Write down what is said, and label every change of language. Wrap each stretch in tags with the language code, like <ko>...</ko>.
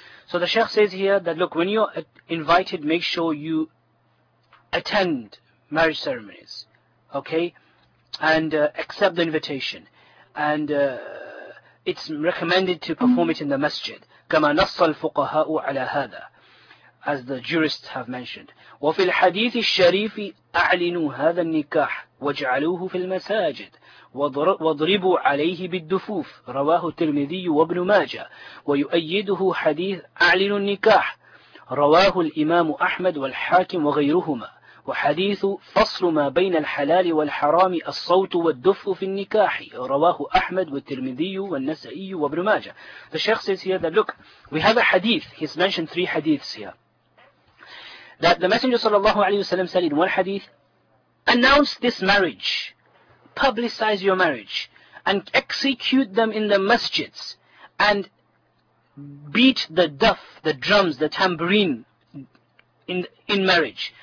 <en>So the Shaykh says here that, look, when you're invited, make sure you attend marriage ceremonies. Okay? And accept the invitation, and it's recommended to perform it in the masjid.</en> <ar>كما نص الفقهاء على هذا,</ar> <en>as the jurists have mentioned.</en> <ar>وفي الحديث الشريف أعلنوا هذا النكاح واجعلوه في المساجد واضربوا عليه بالدفوف رواه الترمذي وابن ماجه ويؤيده حديث أعلنوا النكاح رواه الإمام أحمد والحاكم وغيرهما وحديث فصل ما بين الحلال والحرام الصوت والدف في النكاح رواه أحمد والترمذي والنسائي وابن ماجه.</ar> <en>The Shaykh says here that, look, we have a hadith. He's mentioned three hadiths here. That the Messenger sallallahu alaihi wasallam said in one hadith, announce this marriage, publicize your marriage, and execute them in the masjids, and beat the duff, the drums, the tambourine, in marriage.</en>